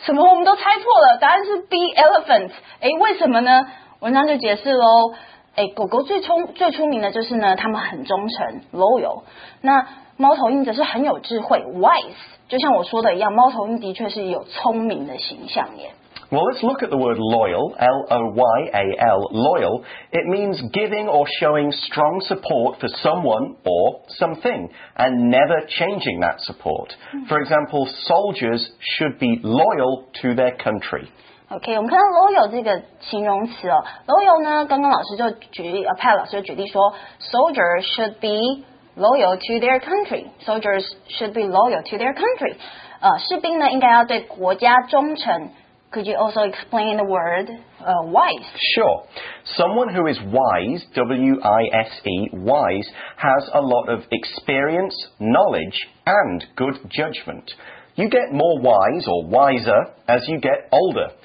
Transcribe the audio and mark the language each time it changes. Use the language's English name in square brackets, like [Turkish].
[Chinese] 什么我们都猜错了，答案是 B, elephants. 诶，为什么呢？文章就解释咯。诶，狗狗最出名的就是呢，他们很忠诚 ,loyal。那猫头鹰则是很有智慧 ,wise。就像我说的一样，猫头鹰的确是有聪明的形象耶。 [English] Well, let's look at the word loyal, L-O-Y-A-L, loyal. It means giving or showing strong support for someone or something and never changing that support. For example, soldiers should be loyal to their country. [Chinese] OK, 我们看到 loyal 这个形容词哦。Loyal 呢，刚刚老师就举例，派老师就举例说 [English] soldiers should be loyal to their country. Soldiers should be loyal to their country. [Chinese] 士兵呢，应该要对国家忠诚。 [English] Could you also explain the word wise? Sure. Someone who is wise, W-I-S-E, wise, has a lot of experience, knowledge, and good judgment. You get more wise or wiser as you get older.